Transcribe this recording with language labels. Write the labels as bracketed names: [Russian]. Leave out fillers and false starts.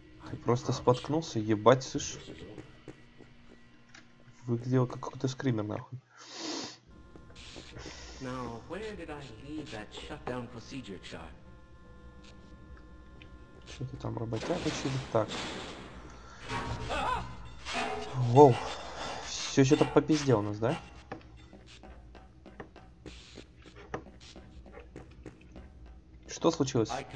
[Russian] Ты просто споткнулся, ебать, слышишь? Выглядел как какой-то скример, нахуй. [English] Now, where did I leave that shutdown procedure chart? [Russian] Что-то там работяга чили. Так. Воу. Все что-то попизде у нас, да? Что случилось?